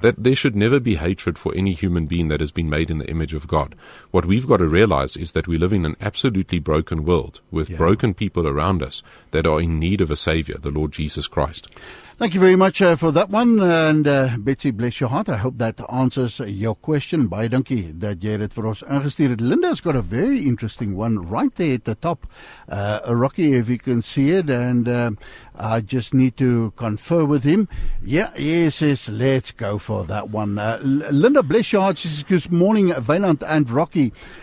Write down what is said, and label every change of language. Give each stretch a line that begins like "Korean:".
English: That there should never be hatred for any human being that has been made in the image of God. What we've got to realize is that we live in an absolutely broken world with broken people around us that are in need of a Savior, the Lord Jesus Christ. Thank you very much for that one. And Betsy, bless your heart. I hope that answers your question.
Afrikaans: Baie dankie dat jy dit vir ons ingestuur het.
English: Linda's got a very interesting one right there at the top. Rocky, if you can see it. And I just need to confer with him. Yeah, he says, let's go for that one. Linda, bless your heart. She says, good morning, Wynand and Rocky.